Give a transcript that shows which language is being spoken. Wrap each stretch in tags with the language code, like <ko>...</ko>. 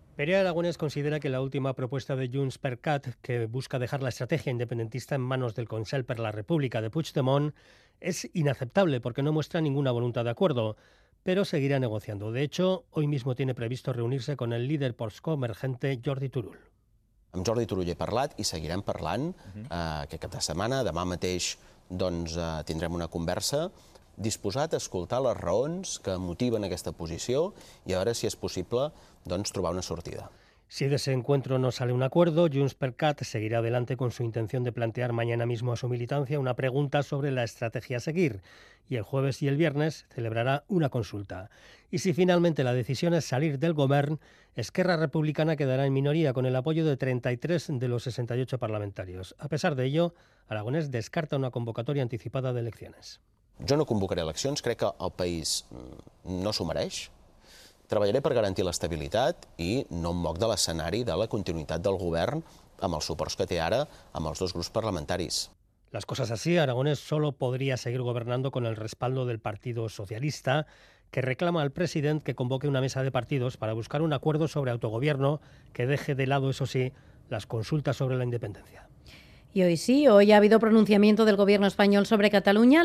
<es>Pere Aragonés considera que la última propuesta de Junts per Cat, que busca dejar la estrategia independentista en manos del Consell per la República de Puigdemont, es inaceptable porque no muestra ninguna voluntad de acuerdo. pero seguirá negociando. De hecho, hoy mismo tiene previsto reunirse con el líder postcoemergente Jordi Turull.</es> <ca>Amb Jordi Turull he parlat i seguirem parlant aquest cap de setmana. Demà mateix doncs, tindrem una conversa disposat a escoltar les raons que motiven aquesta posició i a veure si és possible doncs, trobar una sortida.</ca> <es>Si de ese encuentro no sale un acuerdo, JxCat seguirá adelante con su intención de plantear mañana mismo a su militancia una pregunta sobre la estrategia a seguir. Y el jueves y el viernes celebrará una consulta. Y si finalmente la decisión es salir del govern, Esquerra Republicana quedará en minoría con el apoyo de 33 de los 68 parlamentarios. A pesar de ello, Aragonès descarta una convocatoria anticipada de elecciones.</es> <ca>Jo no convocaré eleccions, crec que el país no s'ho mereix. Treballaré per garantir l'estabilitat i no em moc de l'escenari de la continuïtat del govern amb els suports que té ara amb els dos grups parlamentaris.</ca> <es>Las cosas así, Aragonès solo podría seguir gobernando con el respaldo del Partido Socialista, que reclama al president que convoque una mesa de partidos para buscar un acuerdo sobre autogobierno que deje de lado, eso sí, las consultas sobre la independencia. Y hoy sí, hoy ha habido pronunciamiento del gobierno español sobre Cataluña.</es>